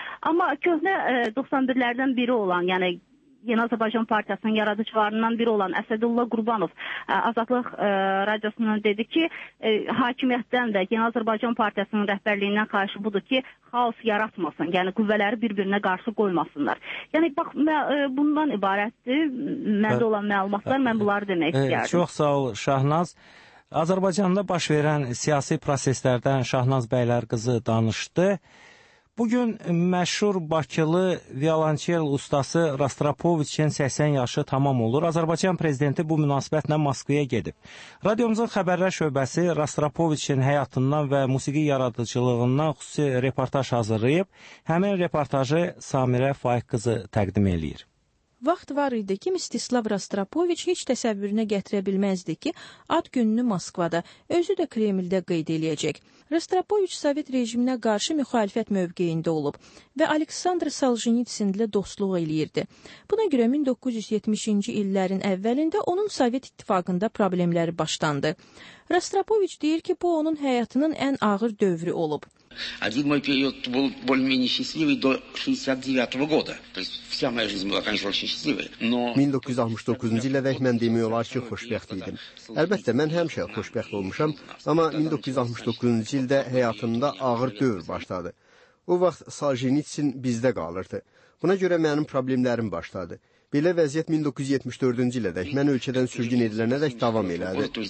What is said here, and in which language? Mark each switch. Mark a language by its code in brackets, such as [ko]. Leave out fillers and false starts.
[az] Amma köhnə 91-lərdən biri olan, yəni Yeni Azərbaycan Partiyasının yaradıcılarından biri olan Əsədullah Qurbanov Azadlıq Radiosundan dedi ki, hakimiyyətdən də Yeni Azərbaycan Partiyasının rəhbərliyindən qarşı budur ki, xaos yaratmasın, yəni qüvvələri bir-birinə qarşı qoymasınlar. Yəni, bax, bundan ibarətdir məndə olan məlumatlar, mən bunları demək istəyərdim. Çox sağ ol, Şahnaz. Azərbaycanda baş verən siyasi proseslərdən Şahnaz bəylər qızı danışdı. Bugün məşhur Bakılı violonçel ustası Rastropoviçin 80 yaşı tamam olur. Azərbaycan prezidenti bu münasibətlə Moskvaya gedib. Radiomuzun xəbərlər şöbəsi Rastropoviçin həyatından və musiqi yaradıcılığından xüsusi reportaj hazırlayıb. Həmin reportajı Samirə Faiq qızı təqdim eləyir. Vaxt var idi ki, Mstislav Rastropoviç heç təsəvvürünə gətirə bilməzdi ki, ad gününü Moskvada, özü də Kremldə qeyd eləyəcək. Rastropoviç Sovet rejiminə qarşı müxalifət mövqeyində olub və Aleksandr Solzhenitsin ilə dostluq eləyirdi. Buna görə 1970-ci illərin əvvəlində onun Sovet İttifaqında problemləri başlandı. Rastropoviç deyir ki, bu onun həyatının ən ağır dövrü olub. [ru] Один мой период был более-менее счастливый до 69-го года. То есть вся моя жизнь была, конечно, очень счастливой. Но [az] 1969-cu ilə dək mən demək olar ki, xoşbəxt idim. Əlbəttə, mən həmişə xoşbəxt olmuşam, amma 1969-cu ildə həyatımda ağır dövr başladı. O vaxt Solzhenitsin bizdə qalırdı. Buna görə mənim problemlərim başladı. Belə vəziyyət 1974-cü ilə dək, mən ölkədən sürgün edilənə dək davam elədi.